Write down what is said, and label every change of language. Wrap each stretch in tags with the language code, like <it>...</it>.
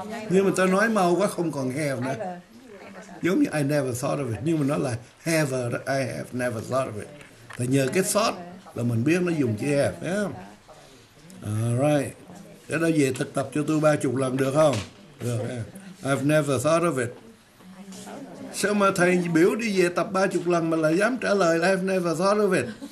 <vi>Nhưng mà ta nói mau quá không còn have nữa. Giống như</vi> <en>I never thought of it.</en> <vi>Nhưng mà nó là</vi> <en>have a, I have never thought of it.</en> <vi>Thì nhờ cái thought là mình biết nó dùng chữ have.</vi> <en>Yeah. All right.</en> <vi>Để đó về thực tập cho tôi 30 lần được không? Được.</vi> <en>I've never thought of it.</en> <vi>Sao mà thầy biểu đi về tập 30 lần mà lại dám trả lời là</vi> <en>I've never thought of it?</en>